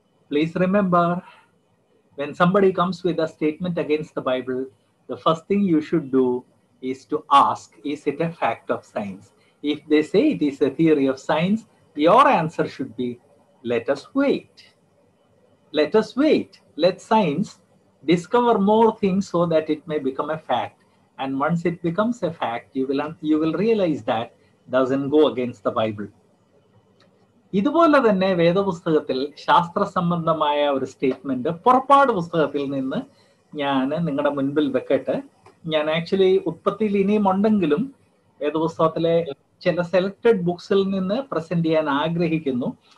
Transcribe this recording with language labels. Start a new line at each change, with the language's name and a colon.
English: Please remember, when somebody comes with a statement against the Bible, the first thing you should do is to ask, is it a fact of science? If they say it is a theory of science, your answer should be let us wait. Let us wait. Let science discover more things so that it may become a fact. And once it becomes a fact, you will realize that doesn't go against the Bible.
Malayalam: ഇതുപോലെ തന്നെ വേദപുസ്തകത്തിൽ ശാസ്ത്രസംബന്ധമായ ഒരു statement പുറപ്പാട് പുസ്തകത്തിൽ നിന്ന് ഞാൻ നിങ്ങളുടെ മുൻപിൽ വെക്കട്ടെ. ഞാൻ ആക്ച്വലി ഉത്പത്തിയിൽ ഇനിയും ഉണ്ടെങ്കിലും വേദപുസ്തകത്തിലെ ചില സെലക്ടഡ് ബുക്സിൽ നിന്ന് പ്രസന്റ് ചെയ്യാൻ ആഗ്രഹിക്കുന്നു.